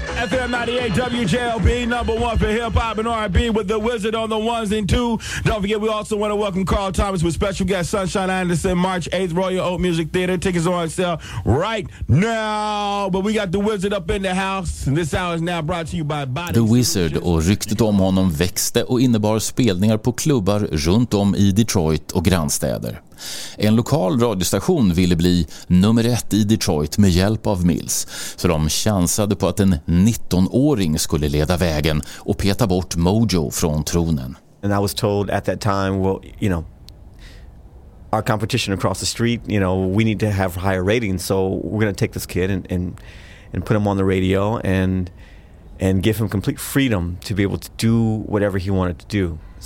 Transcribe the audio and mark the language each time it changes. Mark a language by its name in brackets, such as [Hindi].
[English] FM 98 WJLB, number one for hip-hop and R&B with The Wizard on the ones and two. Don't forget, we also want to welcome Carl Thomas with special guest Sunshine Anderson, March 8th, Royal Oak Music Theater. Tickets are on sale right now. But we got The Wizard up in the house. And this hour is now brought to you by Body. [Swedish] The Wizard och ryktet om honom växte och innebar spelningar på klubbar runt om i Detroit och grannstäder. En lokal radiostation ville bli nummer ett i Detroit med hjälp av Mills, så de chansade på att en 19-åring skulle leda vägen och peta bort Mojo från tronen. [English] And I was told at that time, well, you know, our competition across the street, you know, we need to have higher ratings, so we're going to take this kid and put him on the radio and give him complete freedom to be able to do whatever he wanted to do.